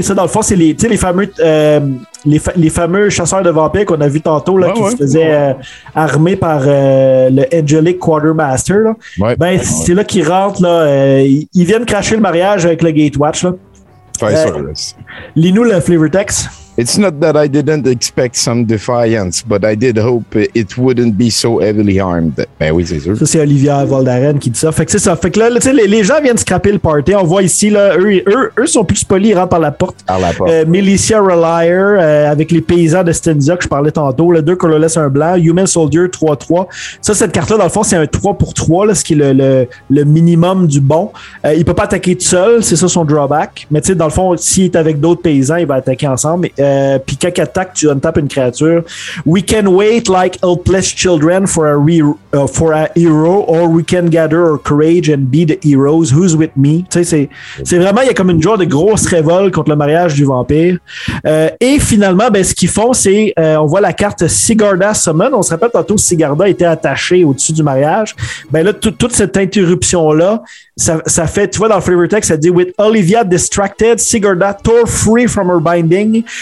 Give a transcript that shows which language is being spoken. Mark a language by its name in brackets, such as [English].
[French] Ça, dans le fond, c'est les fameux chasseurs de vampires qu'on a vu tantôt là, se faisaient armer par le Angelic Quartermaster. C'est là qu'ils rentrent. Ils viennent cracher le mariage avec le Gatewatch. Lis-nous le flavor text. [English] It's not that I didn't expect some defiance, but I did hope it wouldn't be so heavily armed. [French] Ben oui, c'est sûr. Ça, c'est Olivia Valdaren qui dit ça. Fait que c'est ça. Fait que là, tu sais, les gens viennent scraper le party. On voit ici, là, eux sont plus polis, ils rentrent par la porte. Par la porte. Militia Relier, avec les paysans de Stenzia que je parlais tantôt. Le 2 colorless, 1 blanc. Human Soldier, 3-3. Ça, cette carte-là, dans le fond, c'est un 3-3, là, ce qui est le minimum du bon. Il peut pas attaquer tout seul. C'est ça son drawback. Mais tu sais, dans le fond, s'il est avec d'autres paysans, il va attaquer ensemble. Puis quand il attaque, tu untapes une créature. [English] We can wait like helpless children for a hero, or we can gather our courage and be the heroes. Who's with me? [French] Tu sais, c'est vraiment, il y a comme une genre de grosse révolte contre le mariage du vampire. Et finalement, ben, ce qu'ils font, c'est, on voit la carte Sigarda Summon. On se rappelle tantôt, Sigarda était attachée au-dessus du mariage. Ben là, toute cette interruption-là, ça fait, tu vois, dans le flavor text, ça dit [English] with Olivia distracted, Sigarda tore free from her binding.